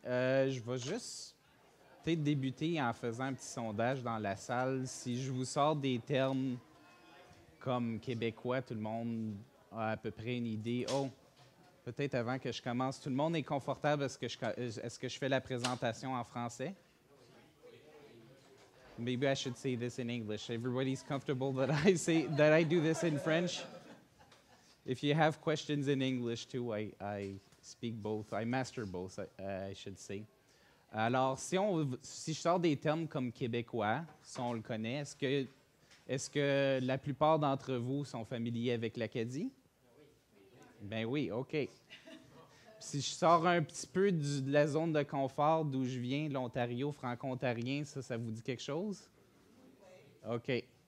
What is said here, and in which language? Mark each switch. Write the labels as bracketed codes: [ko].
[fr] Je vais juste peut-être débuter en faisant un petit sondage dans la salle. Si je vous sors des termes comme québécois, tout le monde a à peu près une idée. Oh! Peut-être avant que je commence, tout le monde est confortable? Est-ce que je fais la présentation en français? [en] Maybe I should say this in English. Everybody's comfortable that I do this in French. If you have questions in English too, I speak both. I master both, I should say. [fr] Alors, si je sors des termes comme québécois, si on le connaît, est-ce que la plupart d'entre vous sont familiers avec l'Acadie? Ben oui, OK. Si je sors un petit peu de la zone de confort d'où je viens, l'Ontario franco-ontarien, ça vous dit quelque chose? OK.